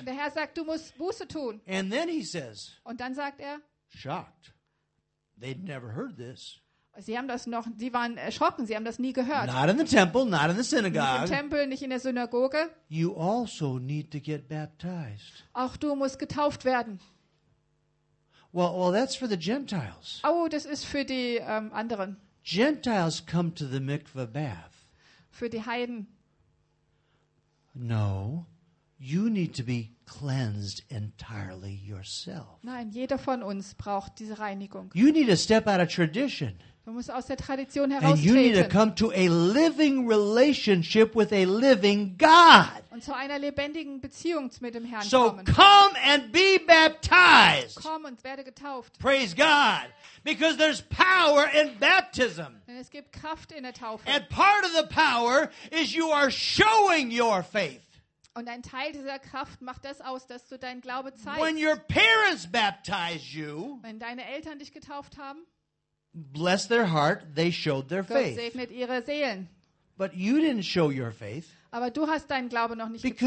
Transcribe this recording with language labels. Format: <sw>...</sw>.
<de>Und der Herr sagt, du musst Buße tun.</de> <en>And then he says,</en> <de>und dann sagt er,</de> <en>shocked. They'd never heard this.</en> <de>Sie haben das noch, sie waren erschrocken, sie haben das nie gehört.</de> <en>Not in the temple, not in the synagogue.</en> <de>Nicht im Tempel, nicht in der Synagoge.</de> <en>You also need to get baptized.</en> <de>Auch du musst getauft werden.</de> <en>Well, that's for the Gentiles.</en> <de>Oh, das ist für die anderen.</de> <en>Gentiles come to the mikveh bath.</en> <de>Für die Heiden.</de> <en>No, you need to be cleansed entirely yourself.</en> <de>Nein, jeder von uns braucht diese Reinigung.</de> <en>You need to step out of tradition.</en> <de>Du musst aus der Tradition heraustreten. Und zu einer lebendigen Beziehung mit dem Herrn kommen.</de> <en>So come and be baptized.</en> <de>Komm und werde getauft.</de> <en>Praise God. Because there's power in baptism.</en> <de>Denn es gibt Kraft in der Taufe.</de> <en>And part of the power is you are showing your faith.</en> <de>Und ein Teil dieser Kraft macht das aus, dass du deinen Glaube zeigst.</de> <en>When your parents baptize you,</en> <de>wenn deine Eltern dich getauft haben,</de> <en>bless their heart, they showed their faith.</en> <de>Gott segnet ihre Seelen.</de> <en>But you didn't show your faith.</en> <de>Aber du hast deinen Glauben noch nicht</de> <en>because</en>